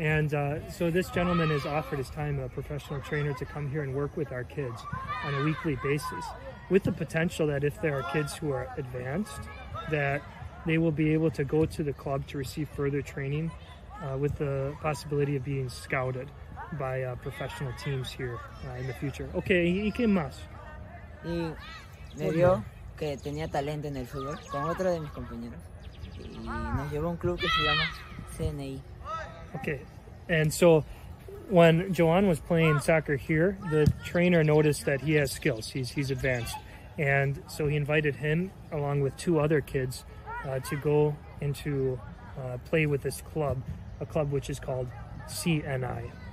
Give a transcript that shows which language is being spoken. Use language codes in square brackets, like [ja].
[en] And so this gentleman has offered his time, a professional trainer, to come here and work with our kids on a weekly basis with the potential that if there are kids who are advanced, that they will be able to go to the club to receive further training with the possibility of being scouted by professional teams here in the future. [es] Okay, ¿y qué más? Y me vio que tenía talento en el fútbol con otro de mis compañeros y nos llevó a un club que se llama CNI. [en] Okay, and so when Jhoan was playing soccer here, the trainer noticed that he has skills, he's advanced. And so he invited him along with two other kids to go into play with this club, a club which is called CNI.